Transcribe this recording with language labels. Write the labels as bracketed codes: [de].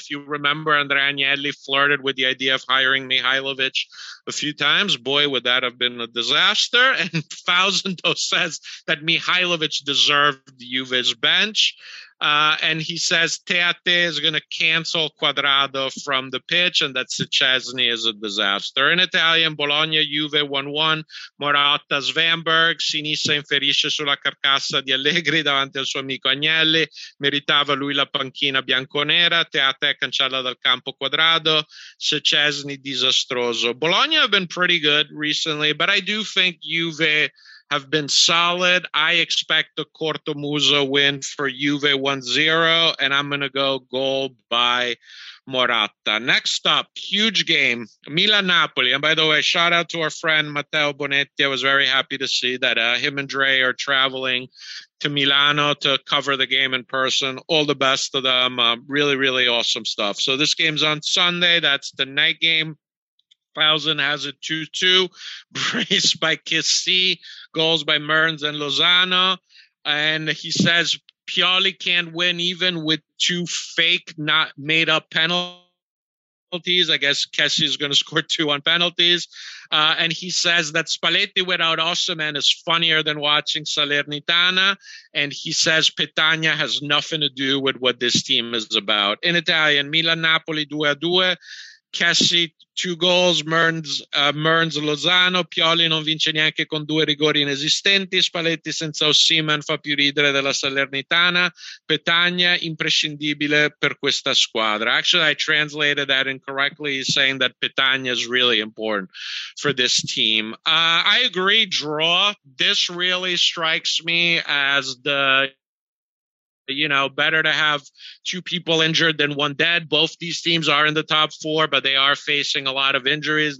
[en] If you remember, Andrea Agnelli flirted with the idea of hiring Mihailovic a few times. Boy, would that have been a disaster. And Fausento says that Mihailovic deserved Juve's bench. And he says Teate is going to cancel Cuadrado from the pitch and that Szczesny is a disaster. In Italian, [it] Bologna, Juve 1-1, Morata, Svanberg, Sinisa inferisce sulla carcassa di Allegri davanti al suo amico Agnelli, meritava lui la panchina bianconera, Teate cancella dal campo Cuadrado, Szczesny disastroso. [en] Bologna have been pretty good recently, but I do think Juve have been solid. I expect a Cortomuso win for Juve 1-0, and I'm going to go goal by Morata. Next up, huge game, Milan-Napoli. And by the way, shout out to our friend Matteo Bonetti. I was very happy to see that him and Dre are traveling to Milano to cover the game in person. All the best to them. Really, really awesome stuff. So this game's on Sunday. That's the night game. Thousand has it 2-2, braced by Kissi, goals by Mertens and Lozano. And he says Pioli can't win even with two fake, not made up penalties. I guess Kessie is going to score two on penalties. And he says that Spalletti without Osimhen is funnier than watching Salernitana. And he says Petagna has nothing to do with what this team is about. In Italian, Milan Napoli 2-2. [it] Kessi, [en] two goals, [it] Mertens, Lozano, Pioli non vince neanche con due rigori inesistenti, Spalletti senza Osimhen fa più ridere della Salernitana, Petagna imprescindibile per questa squadra. [en] Actually, I translated that incorrectly, saying that Petagna is really important for this team. I agree, draw. This really strikes me as the... You know, better to have two people injured than one dead. Both these teams are in the top four, but they are facing a lot of injuries.